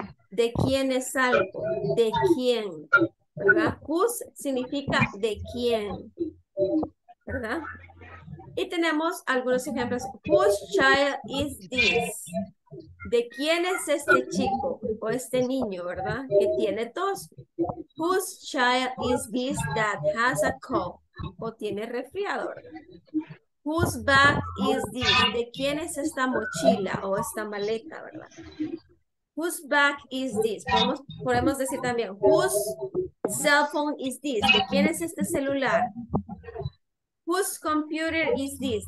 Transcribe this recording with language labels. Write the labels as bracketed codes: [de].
[es] ¿De quién es algo? ¿De quién? ¿Verdad? Whose significa de quién, ¿verdad? Y tenemos algunos ejemplos. [en] Whose child is this? [es] ¿De quién es este chico o este niño, verdad? Que tiene tos. [en] Whose child is this that has a cough? [es] O tiene resfriado. [en] Whose bag is this? [es] ¿De quién es esta mochila o esta maleta, verdad? [en] Whose bag is this? [es] Podemos decir también, [en] whose cell phone is this? [es] ¿De quién es este celular? [en] Whose computer is this?